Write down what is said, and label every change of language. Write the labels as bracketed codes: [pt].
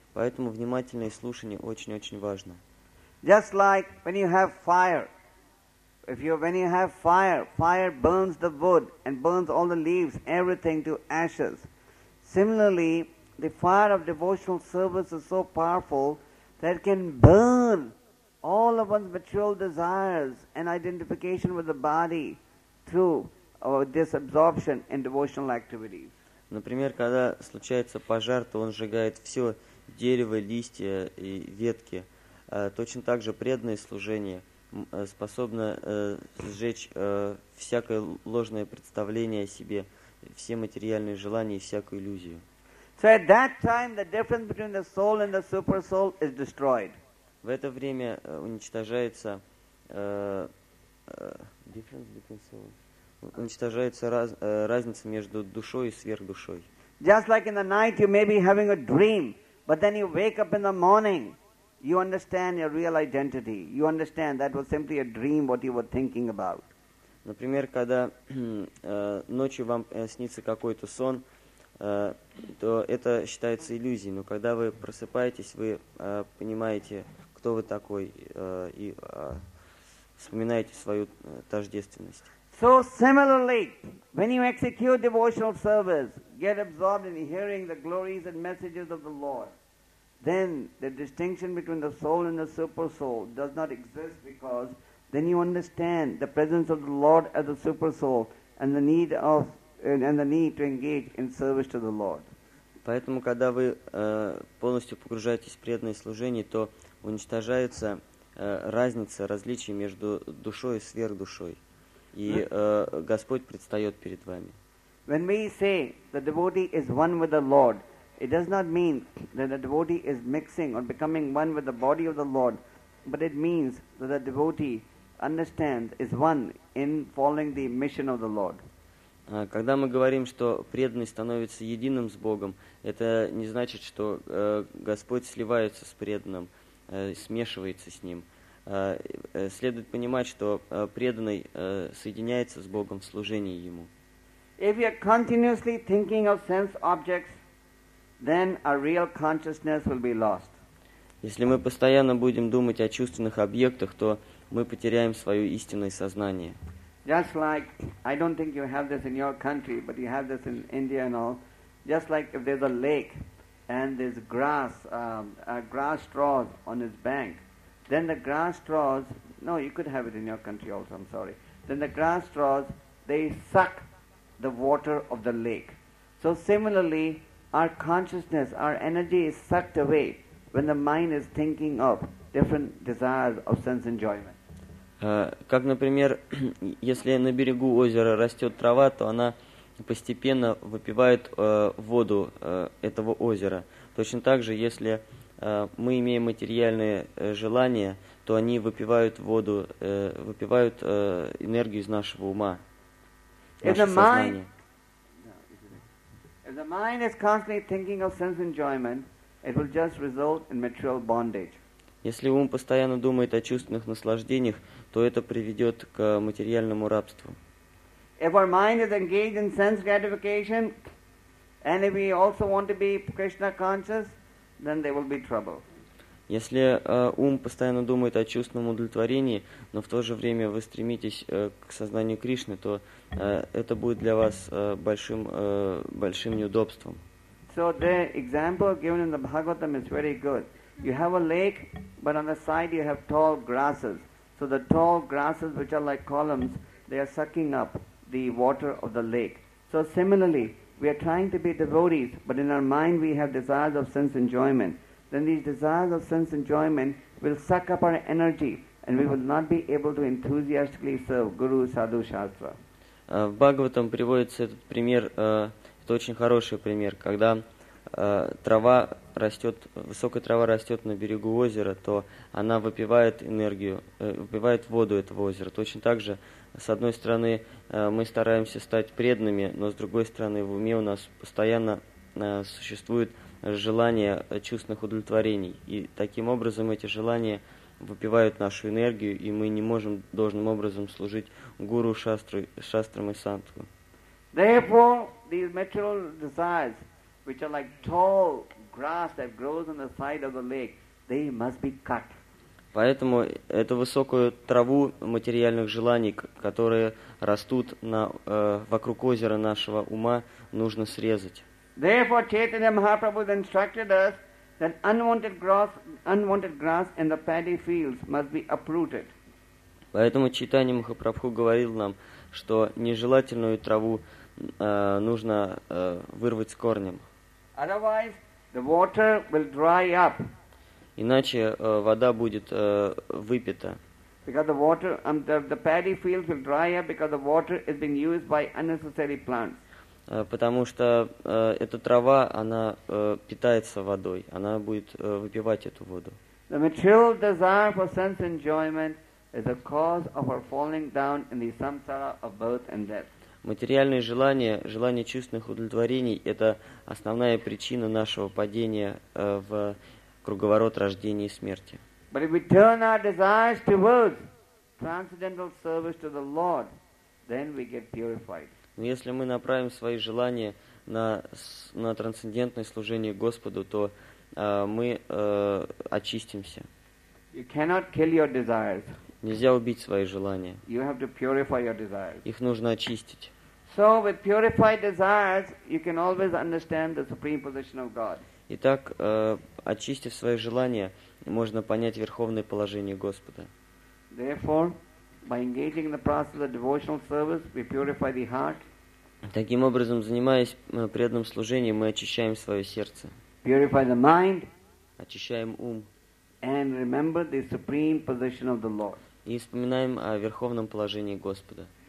[ru] Поэтому внимательное слушание очень-очень важно. [en] Just like when you have fire, fire burns the wood and burns all the leaves, everything to ashes. Similarly, the fire of devotional service is so powerful that it can burn all of one's material desires and identification with the body through this absorption in devotional activities. [ru] Например, когда случается пожар, то он сжигает все дерево, листья и ветки. Точно так же преданное служение способно сжечь всякое ложное представление о себе, все материальные желания и всякую иллюзию. [en] So at that time the difference between the soul and the super soul is destroyed. [ru] В это время уничтожается [en] difference between soul. [ru] Уничтожается разница между душой и сверхдушой. [en] Just like in the night you may be having a dream, but then you wake up in the morning. You understand your real identity. You understand that was simply a dream, what you were thinking about. [ru] Например, когда ночью вам снится какой-то сон, то это считается иллюзией. Но когда вы просыпаетесь, вы понимаете, кто вы такой, и вспоминаете свою тождественность. [en] So similarly, when you execute devotional service, get absorbed in hearing the glories and messages of the Lord. Then the distinction between the soul and the super soul does not exist because then you understand the presence of the Lord as the super soul and the need of and the need to engage in service to the Lord. [ru] Поэтому когда вы полностью погружаетесь в преданное служение, то уничтожается разница, различие между душой и сверхдушой, и Господь предстает перед вами. [en] When we say the devotee is one with the Lord, it does not mean that a devotee is mixing or becoming one with the body of the Lord, but it means that a devotee understands is one in following the mission of the Lord. [ru] Когда мы говорим, что преданный становится единым с Богом, это не значит, что Господь сливается с преданным, смешивается с ним. Следует понимать, что преданный соединяется с Богом в служении Ему. [en] If you are continuously thinking of sense objects, then our real consciousness will be lost. [ru] Если мы постоянно будем думать о чувственных объектах, то мы потеряем свое истинное сознание. [en] Just like, I don't think you have this in your country, but you have this in India and all. Just like if there's a lake and there's grass, grass straws on its bank, then the grass straws, no, you could have it in your country also, I'm sorry. Then the grass straws, they suck the water of the lake. So similarly, our consciousness, our energy is sucked away when the mind is thinking of different desires of sense enjoyment. [ru] Как, например, если на берегу озера растет трава, то она постепенно выпивает воду этого озера. Точно так же, если мы имеем материальные желания, то они выпивают воду, выпивают энергию из нашего ума, нашего сознания. [en] If the mind is constantly thinking of sense enjoyment, it will just result in material bondage. [ru] Если ум постоянно думает о чувственных наслаждениях, то это приведет к материальному рабству. [en] If our mind is engaged in sense gratification, and if we also want to be Krishna conscious, then there will be trouble. [ru] Если ум постоянно думает о чувственном удовлетворении, но в то же время вы стремитесь к сознанию Кришны, то это будет для вас большим неудобством. [en] So the example given in the Bhagavatam is very good. You have a lake, but on the side you have tall grasses. So the tall grasses, which are like columns, they are sucking up the water of the lake. So similarly, we are trying to be devotees, but in our mind we have desires of sense enjoyment. Then these desires of sense enjoyment will suck up our energy and we will not be able to enthusiastically serve Guru, Sadhu, Shastra. [ru] В Бхагаватам приводится этот пример, это очень хороший пример, когда трава растет, высокая трава растет на берегу озера, то она выпивает энергию, выпивает воду этого озера. Точно так же, с одной стороны, мы стараемся стать преданными, но с другой стороны, в уме у нас постоянно существует желание чувственных удовлетворений. И таким образом эти желания выпивают нашу энергию, и мы не можем должным образом служить гуру, шастрам и сандху. [en] Therefore, these material desires, which are like tall grass that grows on the side of the lake, they must be cut. [ru] Поэтому эту высокую траву материальных желаний, которые растут на вокруг озера нашего ума, нужно срезать. [en] Therefore, Chaitanya Mahaprabhu instructed us that unwanted grass in the paddy fields must be uprooted. [ru] Поэтому Чайтанья Махапрабху говорил нам, что нежелательную траву нужно вырвать с корнем. [en] Otherwise, the water will dry up. [ru] Иначе вода будет выпита. [en] Because the water, the paddy fields will dry up because the water is being used by unnecessary plants. [ru] Потому что эта трава, она питается водой, она будет выпивать эту воду. [en] The material desire for sense enjoyment is the cause of our falling down in the samsara of birth and death. [ru] Материальные желания, желание чувственных удовлетворений – это основная причина нашего падения в круговорот рождения и смерти. [en] But if we turn our desires towards transcendental service to the Lord, then we get purified. [ru] Но если мы направим свои желания на трансцендентное служение Господу, то мы очистимся. [en] You cannot kill your desires. [ru] Нельзя убить свои желания. [en] You have to purify your desires. [ru] Их нужно очистить. [en] So with purified desires, you can always understand the supreme position of God. [ru] Итак, очистив свои желания, можно понять верховное положение Господа. [en] Therefore, by engaging in the process of devotional service, we purify the heart. [ru] Таким образом, занимаясь преданным служением, мы очищаем свое сердце. [en] Purify the mind. [ru] Очищаем ум. [en] And remember the supreme position of the Lord. [ru] И вспоминаем о верховном положении Господа.